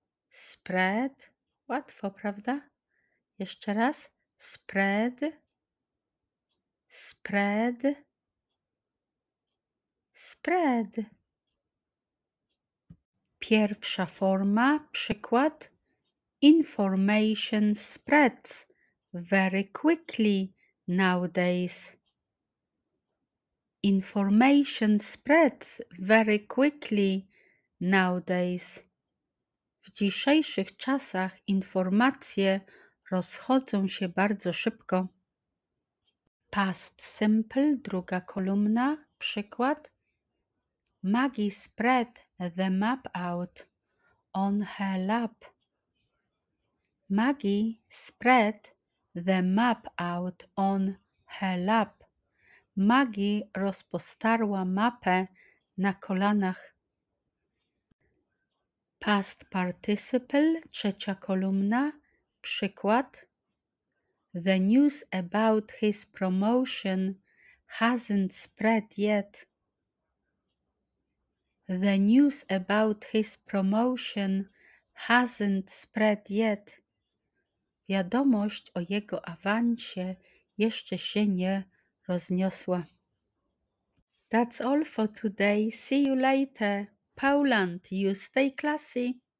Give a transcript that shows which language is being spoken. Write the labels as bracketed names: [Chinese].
[Polish] Spread. Łatwo, prawda? Jeszcze raz. Spread. Spread. [English] Spread. [Polish] Pierwsza forma, przykład. [English] Information spreads very quickly nowadays. Information spreads very quickly nowadays. [Polish] W dzisiejszych czasach informacje rozchodzą się bardzo szybko. Past simple, druga kolumna, przykład. [English] Maggie spread the map out on her lap. Maggie spread the map out on her lap. [Polish] Maggie rozpostarła mapę na kolanach. Past participle, trzecia kolumna, przykład. [English] The news about his promotion hasn't spread yet. The news about his promotion hasn't spread yet. [Polish] Wiadomość o jego awansie jeszcze się nie rozniosła. [English] That's all for today. See you later. Poland, you stay classy.